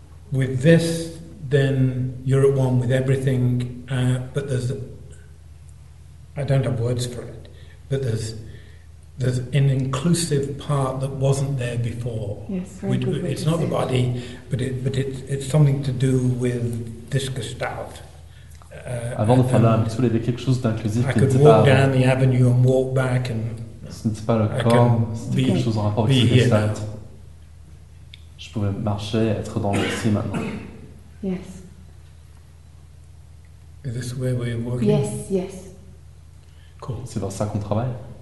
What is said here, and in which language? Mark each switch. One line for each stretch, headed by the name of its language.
English: With this, then you're at one with everything, but there's—I don't have words for it—but there's an inclusive part that wasn't there before. Yes, which, it's not the body, but it's something to do with this Gestalt.
French: Avant de faire là, il y avait quelque chose d'inclusif.
English: I could walk down the avenue and walk back, and
French: c'est pas le corps, c'était quelque chose en rapport avec ce Gestalt. Je pouvais marcher, être dans le ici maintenant.
English: Yes. Is this where we're working? Yes, yes. Cool.
French: C'est dans ça qu'on travaille.